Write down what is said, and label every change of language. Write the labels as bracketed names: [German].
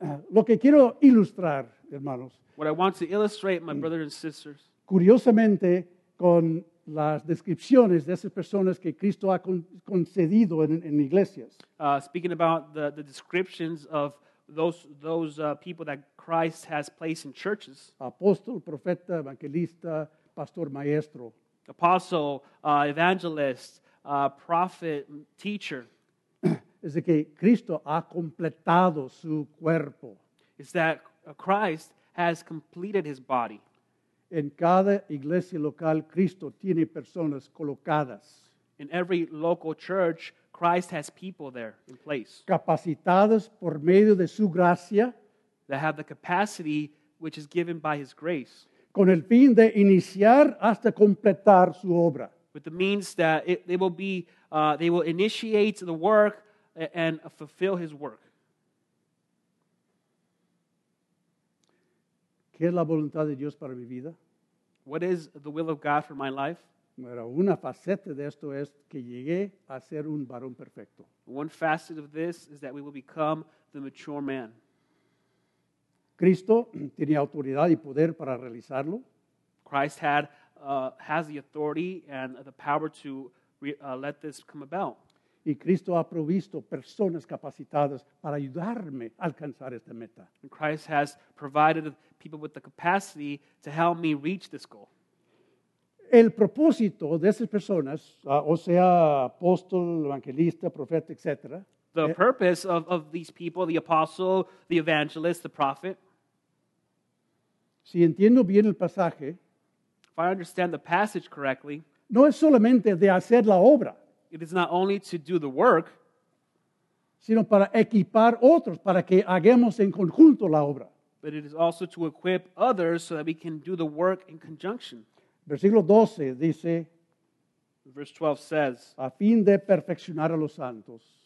[Spanish] Lo que quiero ilustrar, hermanos. [English] What I want to illustrate, my brothers and sisters. [Spanish] Curiosamente, con las descripciones de esas personas que Cristo ha concedido en iglesias. [English] Speaking about the descriptions of those people that Christ has placed in churches. [Spanish] Apóstol, profeta, evangelista, pastor, maestro. [English] Apostle, evangelist, prophet, teacher. [Spanish] Es de que Cristo ha completado su cuerpo. [English] It's that Christ has completed his body. [Spanish] En cada iglesia local, Cristo tiene personas colocadas. [English] In every local church, Christ has people there in place. [Spanish] Capacitadas por medio de su gracia. [English] That have the capacity which is given by his grace. [Spanish] Con el fin de iniciar hasta completar su obra. [English] With the means that they will initiate the work and fulfill his work. [Spanish] ¿Qué es la voluntad de Dios para mi vida? [English] What is the will of God for my life? [Spanish] Bueno, una faceta de esto es que llegué a ser un varón perfecto. [English] One facet of this is that we will become the mature man. [Spanish] Cristo tenía autoridad y poder para realizarlo. [English] Christ had has the authority and the power to let this come about. [Spanish] Y Cristo ha provisto personas capacitadas para ayudarme a alcanzar esta meta. [English] And Christ has provided people with the capacity to help me reach this goal. [Spanish] El propósito de esas personas, o sea, apóstol, evangelista, profeta, etc. [English] The purpose of these people, the apostle, the evangelist, the prophet. [Spanish] Si entiendo bien el pasaje, [English] if I understand the passage correctly, [Spanish] no es solamente de hacer la obra, [English] it is not only to do the work, [Spanish] sino para equipar otros para que hagamos en conjunto la obra. [English] But it is also to equip others so that we can do the work in conjunction. [Spanish] Versículo 12 dice, [English] verse 12 says, [Spanish] a fin de perfeccionar a los santos.